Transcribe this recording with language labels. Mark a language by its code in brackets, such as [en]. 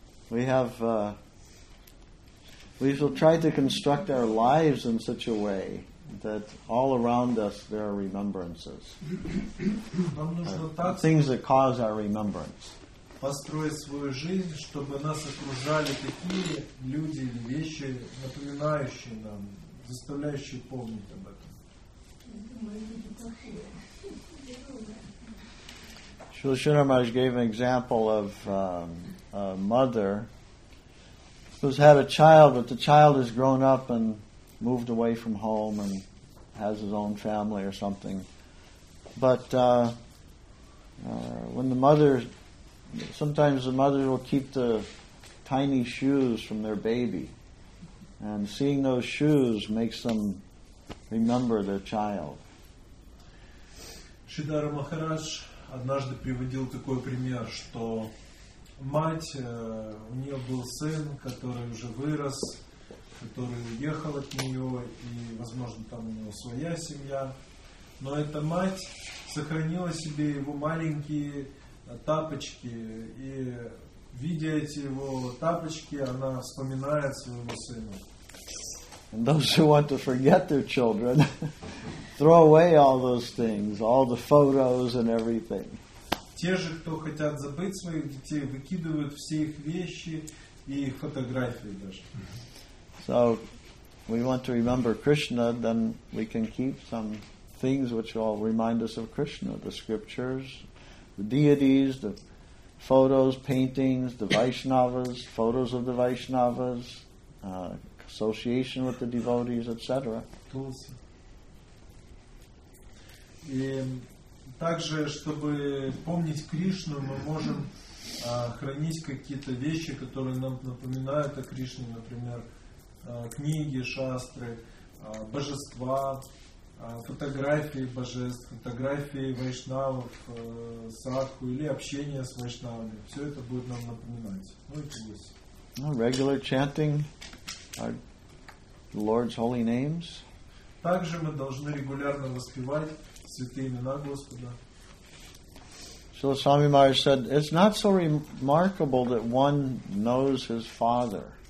[en] We shall try to construct our lives in such a way that all around us there are remembrances. Things that cause our remembrance. [ru] Построить свою жизнь, чтобы нас окружали такие люди или вещи, напоминающие нам, заставляющие помнить об этом. [en] Srila Srinivasa Maharaj gave an example of a mother who's had a child, but the child has grown up and moved away from home and has his own family or something. But when the mother, sometimes the mother will keep the tiny shoes from their baby, and seeing those shoes makes them remember their child. [ru] Шридхара Махарадж однажды приводил такой пример, что мать, у нее был сын, который уже вырос, который уехал от нее, и, возможно, там у него своя семья. Но эта мать сохранила себе его маленькие тапочки, и, видя эти его тапочки, она вспоминает своего сына. [en] And those who want to forget their children... Throw away all those things, all the photos and everything. [ru] Те же, кто хотят забыть своих детей, выкидывают все их вещи и их фотографии даже. [en] So, we want to remember Krishna, then we can keep some things which will remind us of Krishna. The scriptures, the deities, the photos, paintings, the Vaishnavas, photos of the Vaishnavas, association with the devotees, etc. [ru] И также, чтобы помнить Кришну, мы можем хранить какие-то вещи, которые нам напоминают о Кришне, например, книги, шастры, божества, фотографии божеств, фотографии вайшнавов, садху или общение с вайшнавами. Все это будет нам напоминать. Ну и плюс. [en] Regular chanting the Lord's holy names. [ru] Также мы должны регулярно воспевать [en] So Swami Maharaj said, it's not so remarkable that one knows his father.